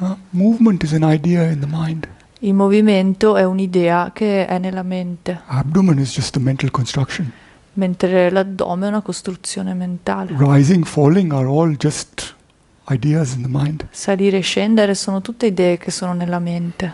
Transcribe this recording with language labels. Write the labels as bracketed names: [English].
[English] Movement is an idea in the mind. [Italian] Il movimento è un'idea che è nella mente, [English] Abdomen is just a mental construction. [Italian] mentre l'addome è una costruzione mentale. [English] Rising, falling are all just ideas in the mind. [Italian] Salire e scendere sono tutte idee che sono nella mente.